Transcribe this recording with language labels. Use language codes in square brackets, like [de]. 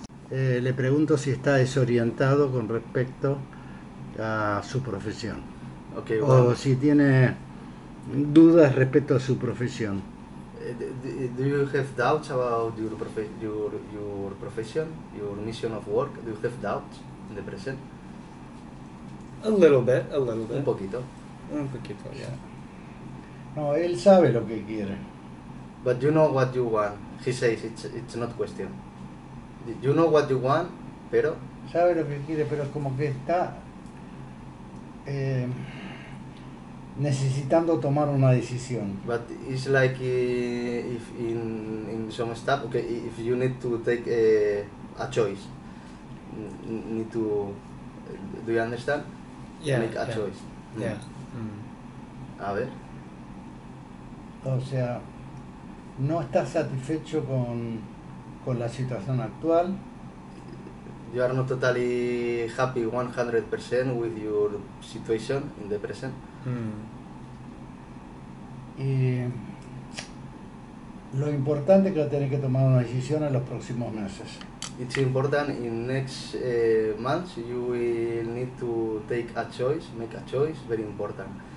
[es] Le pregunto si está desorientado con respecto a su profesión. [en] Okay, [es] o si tiene dudas respecto a su profesión. [en] Do you have doubts about your profession, your mission of work? Do you have doubts in the present? A little bit. [es] Un poquito. Un poquito, yeah. No, él sabe lo que quiere. [en] But you know what you want. He says it's not question. You know what you want, pero... [es] Sabe lo que quiere, pero es como que está... necesitando tomar una decisión. [en] But it's like if in some step, okay, if you need to take a choice. Need to... Do you understand? Yeah. Make a choice. Yeah. [es] A ver. O sea, no está satisfecho con la situación actual. [en] You are not totally happy 100% with your situation in the present. [es] Y lo importante es que va a tener que tomar una decisión en los próximos meses. [en] It's important in next months you will need to take a choice, make a choice, very important.